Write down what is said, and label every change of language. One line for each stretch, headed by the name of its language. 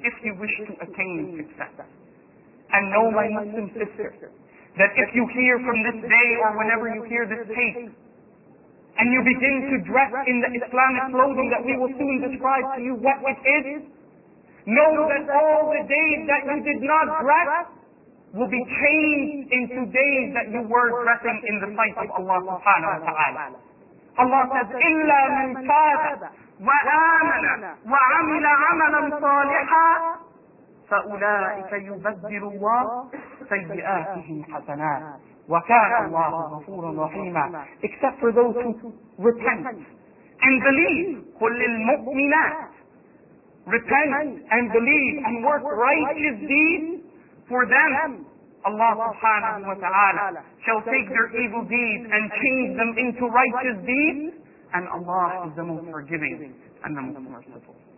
English: If you wish to attain success. And know, my Muslim sister, that if you hear from this day or whenever you hear this tape, and you begin to dress in the Islamic clothing that we will soon describe to you what it is, know that all the days that you did not dress will be changed into days that you were dressing in the sight of Allah subhanahu wa ta'ala. Allah says,
Arabic: إِلَّا مَنْ تَابَ وَآمَنَ وَعَمِلَ عَمَلًا صَالِحًا فَأُولَٰئِكَ يُبَدِّلُ اللَّهُ سَيِّئَاتِهِمْ حَسَنَاتٍ وَكَانَ اللَّهُ غَفُورًا رَحِيمًا.
English: Except for those who repent and believe.
Arabic: قُلْ لِلْمُؤْمِنَاتِ.
English: Repent and believe and work righteous deeds. For them, Allah subhanahu wa ta'ala shall take their evil deeds and change them into righteous deeds. And Allah is the most forgiving and the most merciful.